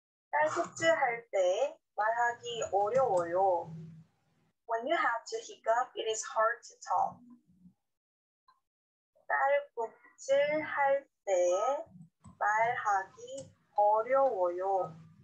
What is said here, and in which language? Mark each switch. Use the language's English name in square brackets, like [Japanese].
[Korean] 딸꾹질할 때 말하기 어려워요. [English] When you have to hiccup, it is hard to talk. [Korean] 딸꾹질할 때 말하기 어려워요.